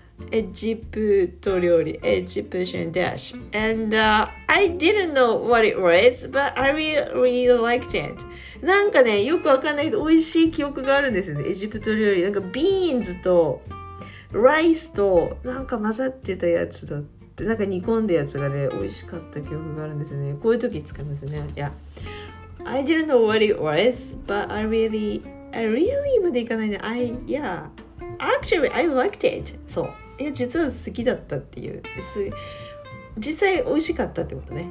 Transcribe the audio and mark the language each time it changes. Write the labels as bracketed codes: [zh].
[en] Egypt 料理 Egyptian dish, and I didn't know what it was, but I really liked it. [ja] なんかね、よくわかんないけど美味しい記憶があるんですよね。エジプト料理、なんかビーンズとライスとなんか混ざってたやつだって、なんか煮込んだやつがね美味しかった記憶があるんですよね。こういう時使いますよね。 [en] Yeah, I didn't know what it was, but I really [ja] までいかないね。 [en] I yeah, actually I liked it. So. [ja] いや実は好きだったっていう、実際美味しかったってことね。